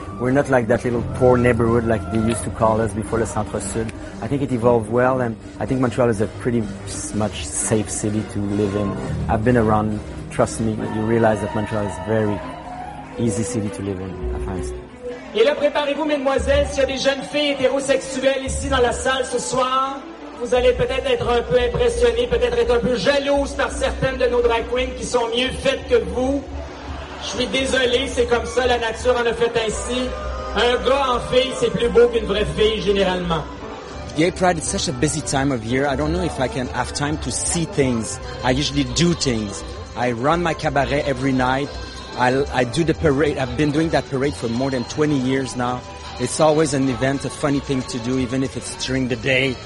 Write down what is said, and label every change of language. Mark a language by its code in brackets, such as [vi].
[en] We're not like that little poor neighborhood like they used to call us before Le Centre Sud. I think it evolved well, and I think Montreal is a pretty much safe city to live in. I've been around. Trust me, you realize that Montreal is very easy city to live in, I find. [fr] Et là, préparez-vous, mesdemoiselles, s'il y a des jeunes filles hétérosexuelles ici dans la salle ce soir, vous allez peut-être être un peu impressionné, peut-être être un peu jalouse par certaines de nos drag queens qui sont mieux faites que vous. Je suis désolé, c'est comme ça, la nature en a fait ainsi. Un gars en fille, c'est plus beau qu'une vraie fille, généralement. [en] Gay Pride, it's such a busy time of year. I don't know if I can have time to see things. I usually do things. I run my cabaret every night. I do the parade. I've been doing that parade for more than 20 years now. It's always an event, a funny thing to do, even if it's during the day.